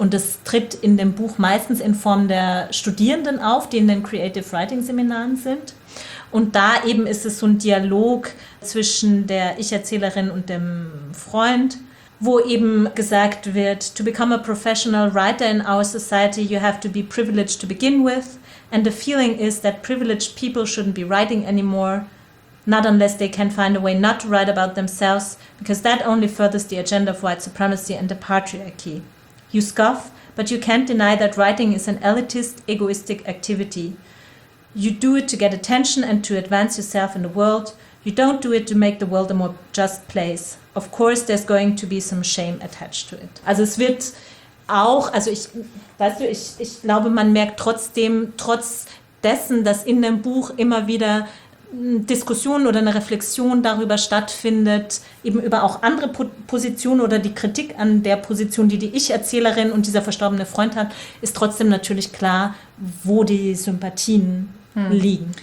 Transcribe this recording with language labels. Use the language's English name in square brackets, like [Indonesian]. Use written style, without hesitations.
[German] Und es tritt in dem Buch meistens in Form der Studierenden auf, die in den Creative Writing Seminaren sind. Und da eben ist es so ein Dialog zwischen der Ich-Erzählerin und dem Freund, wo eben gesagt wird, [English] to become a professional writer in our society, you have to be privileged to begin with. And the feeling is that privileged people shouldn't be writing anymore. Not unless they can find a way not to write about themselves, because that only furthers the agenda of white supremacy and the patriarchy. You scoff, but you can't deny that writing is an elitist, egoistic activity. You do it to get attention and to advance yourself in the world. You don't do it to make the world a more just place. Of course, there's going to be some shame attached to it. [German] Also es wird auch, also ich, weißt du, ich glaube, man merkt trotzdem, trotz dessen, dass in dem Buch immer wieder Diskussion oder eine Reflexion darüber stattfindet, eben über auch andere Positionen oder die Kritik an der Position, die Ich-Erzählerin und dieser verstorbene Freund hat, ist trotzdem natürlich klar, wo die Sympathien liegen.